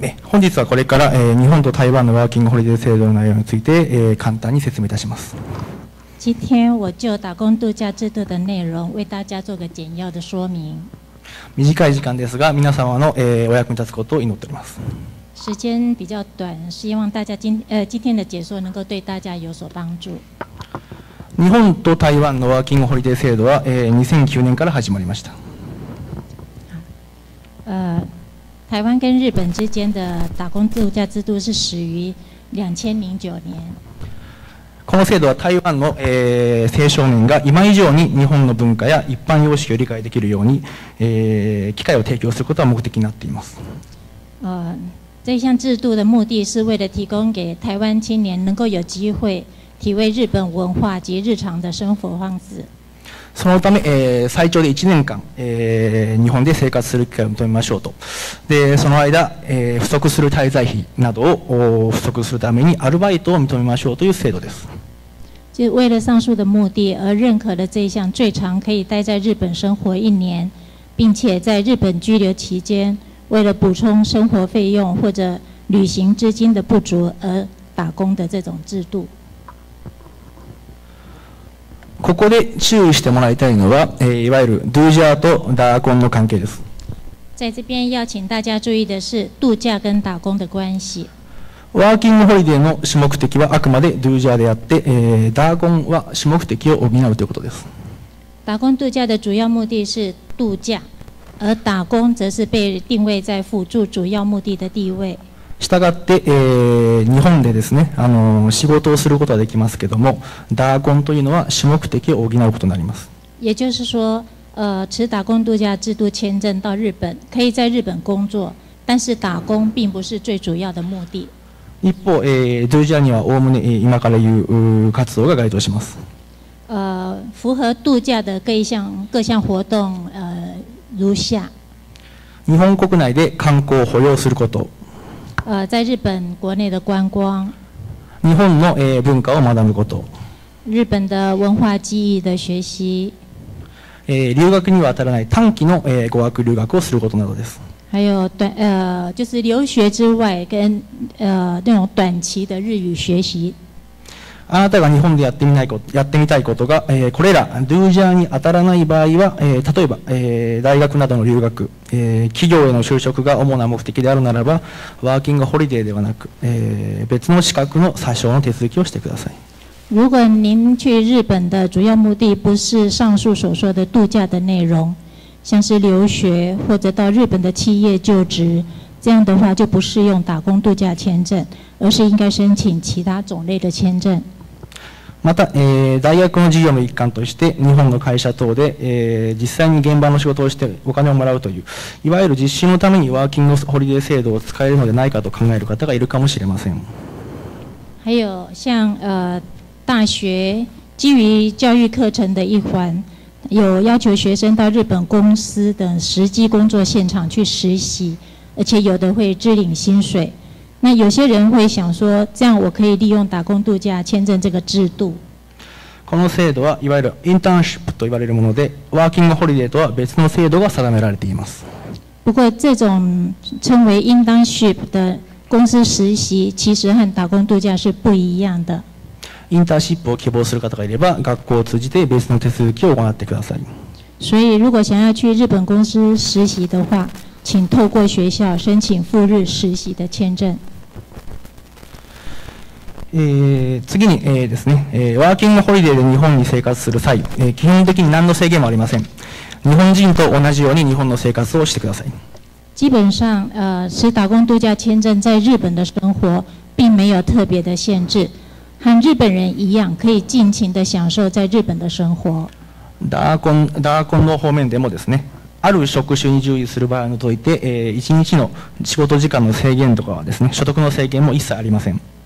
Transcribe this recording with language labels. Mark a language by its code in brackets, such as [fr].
[ja] 本日はこれから日本と台湾のワーキングホリデー制度の内容について簡単に説明いたします。 [zh] 今天我就打工度假制度的内容为大家做个简要的说明。 [ja] 短い時間ですが皆様のお役に立つことを祈っております。 [zh] 時間比较短希望大家 今天的解说能够对大家有所帮助。 [ja] 日本と台湾のワーキングホリデー制度は2009年から始まりました。 [zh] 台湾跟日本之间的打工度假制度是始于2009年。 [ja] この制度は台湾の青少年が今以上に日本の文化や一般様式を理解できるように機会を提供することが目的になっています。 [zh] 这项制度的目的是为了提供给台湾青年能够有机会体味日本文化及日常的生活方式。 [ja] そのため、最長で1年間、日本で生活する機会を求めましょうと。で、その間、不足する滞在費などを不足するためにアルバイトを認めましょうという制度です。 [zh] 就为了上述的目的而认可了这一项最长可以待在日本生活一年，并且在日本居留期间，为了补充生活费用或者旅行资金的不足而打工的这种制度。 [ja] ここで注意してもらいたいのは、いわゆるドゥジャーとダーコンの関係です。 [zh] 在这边要请大家注意的是度假跟打工的关系。 [ja] ワーキングホリデーの主目的はあくまでドゥジャーであって、ダーコンは主目的を補うということです。 [zh] 打工度假的主要目的是度假，而打工则是被定位在辅助主要目的的地位。 [ja] したがって、日本でですね、仕事をすることはできますけれども、打工というのは主目的を補うことになります。 [zh] 也就是说，持打工度假制度签证到日本，可以在日本工作，但是打工并不是最主要的目的。 [ja] 一方、ドゥジャーには概ね今から言う活動が該当します。 [zh] 符合度假的各项活动，如下。 [ja] 日本国内で観光を保養すること。 [zh] 在日本国内的观光， [ja] 日本の文化を学ぶこと， [zh] 日本的文化记忆的学习， [ja] 留学には当たらない短期の語学留学をすることなどです。 [zh] 还有短就是留学之外跟那种短期的日语学习。 [ja] あなたが日本でやってみたいことが、これらドゥージャーに当たらない場合は、例えば、大学などの留学、企業への就職が主な目的であるならば、ワーキングホリデーではなく、別の資格の詐称の手続きをしてください。 [zh] 如果您去日本的主要目的不是上述所说的度假的内容，像是留学或者到日本的企业就职，这样的话就不适用打工度假签证。而是应该申请其他种类的签证。 [ja] また、大学の授業の一環として、日本の会社等で、実際に現場の仕事をしてお金をもらうという、いわゆる実習のためにワーキングホリデー制度を使えるのではないかと考える方がいるかもしれません。 [zh] 还有像大学基于教育课程的一环，有要求学生到日本公司等实际工作现场去实习，而且有的会支领薪水。那有些人会想说，这样我可以利用打工度假签证这个制度。 [ja] この制度はいわゆるインターンシップと言われるもので、ワーキングホリデーとは別の制度が定められています。 [zh] 不过，这种称为 internship 的公司实习，其实和打工度假是不一样的。 [ja] インターンシップを希望する方がいれば、学校を通じて別の手続きを行ってください。 [zh] 所以，如果想要去日本公司实习的话，请透过学校申请赴日实习的签证。 [ja] 次に、ですね、ワーキングホリデーで日本に生活する際、基本的に何の制限もありません。日本人と同じように日本の生活をしてください。 [zh] 基本上、持打工度假签证在日本的生活并没有特别的限制，和日本人一样可以尽情的享受在日本的生活。 [ja] ダーコンの方面でもですね。ある職種に従事する場合を除いて、1日の仕事時間の制限とかはですね、所得の制限も一切ありません。